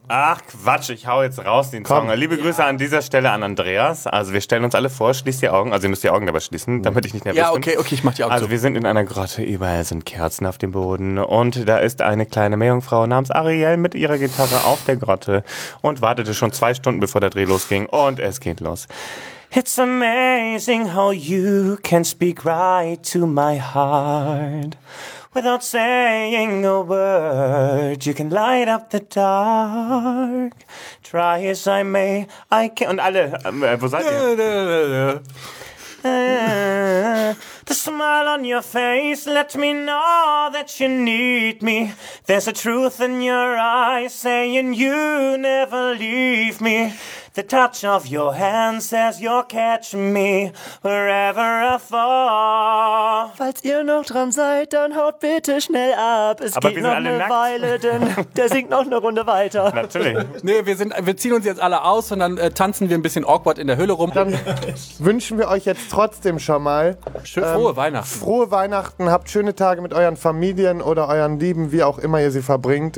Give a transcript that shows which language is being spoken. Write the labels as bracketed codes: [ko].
[de] Ach Quatsch, ich hau jetzt raus den Song. Liebe Grüße an dieser Stelle an Andreas. Also wir stellen uns alle vor, schließt die Augen. Also ihr müsst die Augen dabei schließen, damit ich nicht nervös bin. Ja, okay, ich mach die Augen Also wir sind in einer Grotte, überall sind Kerzen auf dem Boden. Und da ist eine kleine Meerjungfrau namens Ariel mit ihrer Gitarre auf der Grotte und wartete schon 2 Stunden, bevor der Dreh losging. Und es geht los. [en] It's amazing how you can speak right to my heart. without saying a word, you can light up the dark. Try as I may, I can. [de] Und alle, wo seid ihr? [en] The smile on your face, let me know that you need me. There's a truth in your eyes saying you never leave me. The touch of your hand says you'll catch me wherever I fall. [de] Falls ihr noch dran seid, dann haut bitte schnell ab. Es aber geht noch eine nackt. Weile, denn der singt noch eine Runde weiter. Natürlich. Nee, wir ziehen uns jetzt alle aus und dann tanzen wir ein bisschen awkward in der Höhle rum. Dann wünschen wir euch jetzt trotzdem schon mal frohe Weihnachten. Frohe Weihnachten, habt schöne Tage mit euren Familien oder euren Lieben, wie auch immer ihr sie verbringt.